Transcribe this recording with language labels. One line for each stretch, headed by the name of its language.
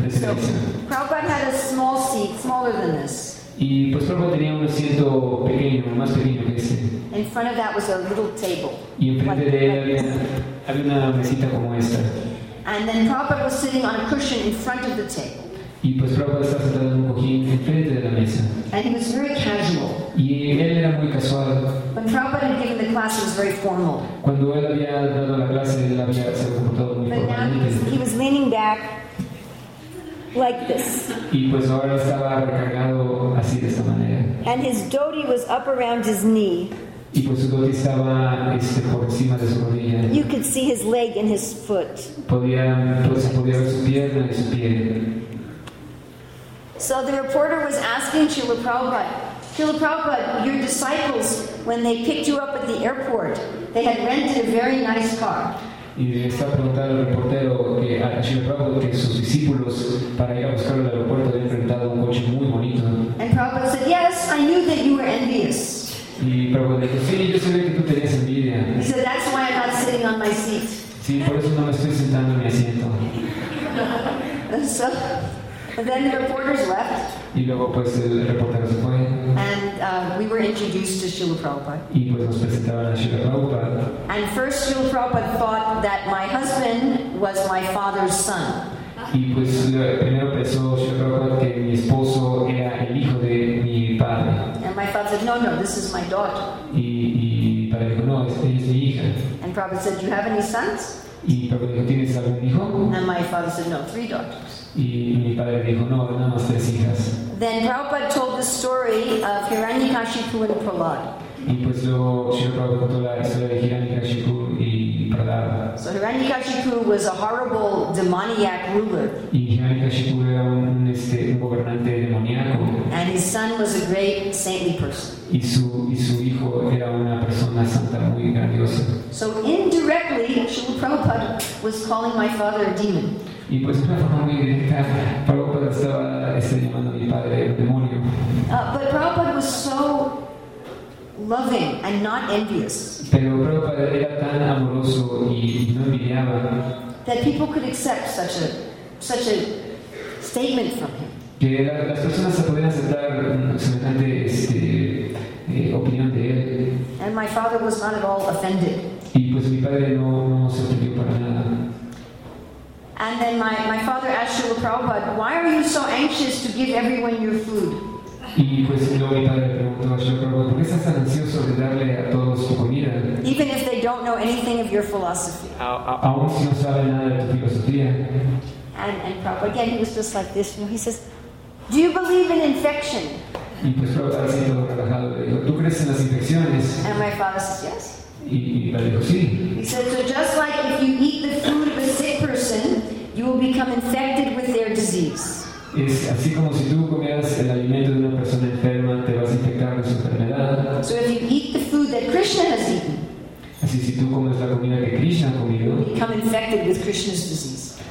English: So, Prabhupada had a small seat, smaller than this.
Spanish: Y pues Prabhupada tenía un asiento pequeño, más pequeño que este.
English: In front of that was a little table.
Spanish: Y enfrente de él había una mesita como esta.
English: And then Prabhupada was sitting on a cushion in front of the table.
Spanish: Y pues Prabhupada estaba sentado en un cojín enfrente de la mesa.
English: And he was very casual.
Spanish: Y él era muy casual.
English: When Prabhupada had given the class, it was very formal.
Spanish: Cuando él había dado la clase, él había se comportado muy formalmente.
English: But now he was leaning back like this.
Spanish: Y pues ahora estaba recargado así de esta manera.
English: And his dhoti was up around his knee.
Spanish: Y pues su dhoti estaba por encima de su rodilla.
English: You could see his leg and his foot.
Spanish: Podía ver su pierna y su pie.
English: So the reporter was asking Srila Prabhupada, Srila Prabhupada, your disciples, when they picked you up at the airport, they had rented a very nice car.
Spanish: Y está preguntando el reportero a Srila Prabhupada que sus discípulos para ir a buscarlo al aeropuerto habían rentado un coche muy bonito.
English: And Prabhupada said, yes, I knew that you were envious.
Spanish: Y Prabhupada dijo, sí, yo sabía que tú tenías envidia.
English: He said, that's why I'm not sitting on my seat.
Spanish: Sí, por eso no me estoy sentando en mi asiento.
English: So, and then the reporters left.
Spanish: Y luego, pues, el reportero se fue.
English: And we were introduced to Srila Prabhupada.
Spanish: Y pues nos presentaron a Srila Prabhupada.
English: And first Srila Prabhupada thought that my husband was my father's son.
Spanish: Y pues primero pensó Srila Prabhupada que mi esposo era el hijo de mi padre.
English: And my father said, no, this is my daughter.
Spanish: Y mi padre dijo, no, esta es mi hija.
English: And Prabhupada said, do you have any sons?
Spanish: Y Prabhupada dijo, ¿tienes algún hijo?
English: And my father said, no, 3 daughters.
Spanish: Y mi padre dijo, no, nada más 3 hijas.
English: Then Prabhupada told the story of Hiranyakashipu and Prahlad.
Spanish: Y pues luego Srila Prabhupada contó la historia de Hiranyakashipu y Prahlad.
English: So Hiranyakashipu was a horrible demoniac ruler.
Spanish: Y Hiranyakashipu era un gobernante demoníaco.
English: And his son was a great saintly person.
Spanish: Y su hijo era una persona santa muy grandiosa.
English: So indirectly, Srila Prabhupada was calling my father a demon.
Spanish: Y pues de una forma muy directa, Prabhupada estaba llamando a mi padre el demonio.
English: But Prabhupada was so loving and not envious.
Spanish: Pero Prabhupada era tan amoroso y no envidiaba.
English: That people could accept such a statement from him.
Spanish: Que las personas se podían aceptar semejante opinión de él.
English: And my father was not at all offended.
Spanish: Y pues pues mi padre no se atrevió para nada.
English: And then my father asked Srila Prabhupada, why are you so anxious to give everyone your food?
Spanish: Y pues luego mi padre preguntó a Srila Prabhupada, ¿por qué estás tan ansioso de darle a todos tu comida?
English: Even if they don't know anything of your philosophy.
Spanish: Aún si no saben nada de tu filosofía.
English: And Prabhupada, again, he was just like this. You know, he says, do you believe in infection?
Spanish: Y pues Prabhupada así todo relajado, le dijo, ¿tú crees en las infecciones?
English: And my father says, yes.
Spanish: Y mi padre dijo, sí.
English: He said, so just like if you eat the food of a sick person, you will become infected with their disease.
Spanish: Es así como si tú comieras el alimento de una persona enferma, te vas a infectar de su enfermedad.
English: So if you eat the food that Krishna has eaten,
Spanish: así si tú comes la comida que Krishna ha comido,
English: you become infected with Krishna's disease.